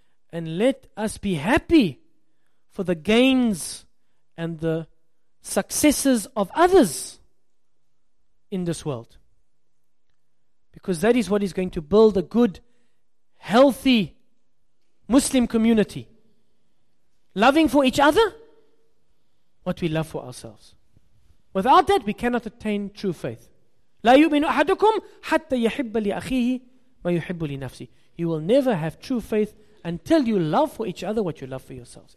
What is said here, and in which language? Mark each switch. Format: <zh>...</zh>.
<en>And let us be happy for the gains and the successes of others in this world, because that is what is going to build a good, healthy Muslim community. Loving for each other what we love for ourselves. Without that, we cannot attain true faith.</en> <ar>لا يؤمن أحدكم حتى يحب لأخيه ما يحب لنفسه.</ar> <en>You will never have true faith until you love for each other what you love for yourselves.</en>